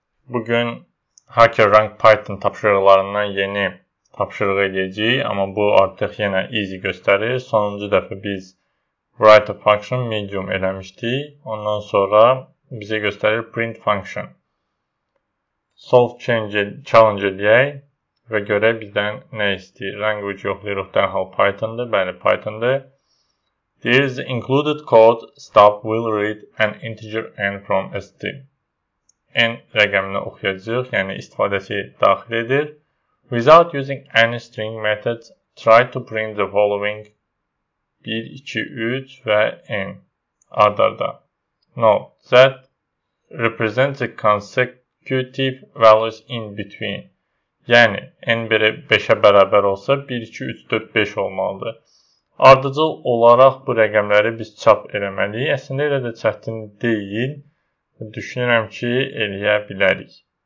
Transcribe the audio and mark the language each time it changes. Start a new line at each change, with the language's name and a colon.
Azerbaijani: Bugün HackerRank Python tapşırıqlarından yeni tapşırıq edəcəyik, amma bu artıq yenə easy göstərir. Sonuncu dəfə biz
English: write a function medium
Azerbaijani: eləmişdik. Ondan sonra bizə göstərir print function.
English: Solve challenge
Azerbaijani: edək və görək bizdən nə istəyir. Language yoxlayırıq dərhal Python-da, bəli Python-da.
English: This included code stop will read an integer n from st.
Azerbaijani: N rəqəmini oxuyacaq, yəni istifadəçi daxil edir.
English: Without using any string method, try to print the following 1, 2, 3
Azerbaijani: və n. Ardarda.
English: Note that represents the consecutive values in between.
Azerbaijani: Yəni, n 5-ə bərabər olsa 1, 2, 3, 4, 5 olmalıdır. Ardıcıl olaraq bu rəqəmləri biz çap eləməliyik. Əslində, elə də çətin deyil. Düşünürəm ki, eləyə bilərik.